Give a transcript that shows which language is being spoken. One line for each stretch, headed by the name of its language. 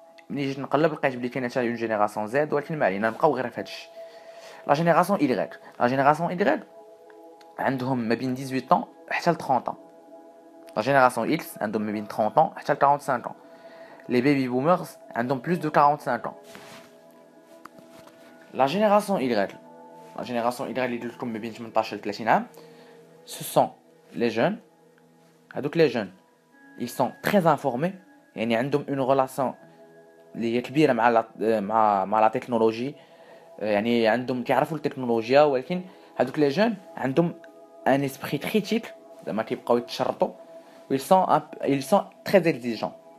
Arabic: Ni je نقلب لقيت بلي كاينه حتى une génération Z ولكن ما علينا نبقاو غير في هادشي.
French: La génération Y,
Arabic: عندهم ما بين
French: 18 ans
Arabic: حتى ل
French: 30 ans. La génération X عندهم ما بين 30 ans حتى ل 45 ans. les baby boomers
Arabic: عندهم
French: plus de 45 ans. La génération Y, la génération Y
Arabic: اللي قلت لكم ما بين
French: 18 و 30 عام, ce sont les jeunes.
Arabic: هذوك les jeunes,
French: ils sont très informés,
Arabic: يعني عندهم
French: une relation
Arabic: اللي كبيره مع لا مع مع لا تكنولوجي, يعني عندهم كيعرفوا التكنولوجيا, ولكن هذوك les jeunes عندهم
French: un esprit critique,
Arabic: زعما كيبقاو يتشرطوا,
French: ils sont très exigeants.